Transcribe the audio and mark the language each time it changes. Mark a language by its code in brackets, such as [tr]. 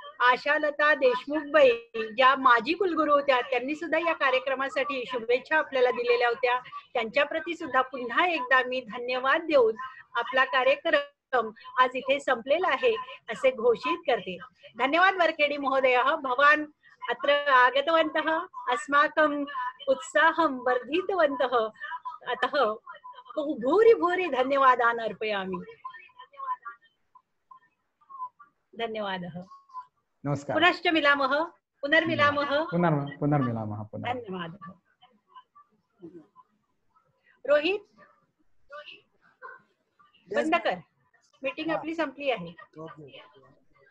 [mr] आशालता देशमुखबाई ज्या माजी कुलगुरू होत्या त्यांनी सुद्धा या कार्यक्रमासाठी शुभेच्छा आपल्याला दिलेल्या होत्या त्यांच्या प्रती सुद्धा पुन्हा एकदा मी धन्यवाद देऊन आपला कार्यक्रम आज इथे संपलेला आहे असे घोषित करते धन्यवाद वरखेडी महोदय [sa] भवान अत्र आगतवंत अस्माकं उत्साहं वर्धितवंत अतः भूरि भूरि धन्यवादान अर्पयामि [mr] धन्यवाद [sa] नमस्कार पुनश्च मिलामः पुनर्मिलामः पुनर्मिलामः [mr] धन्यवाद रोहित बंद कर मीटिंग आपली संपली आहे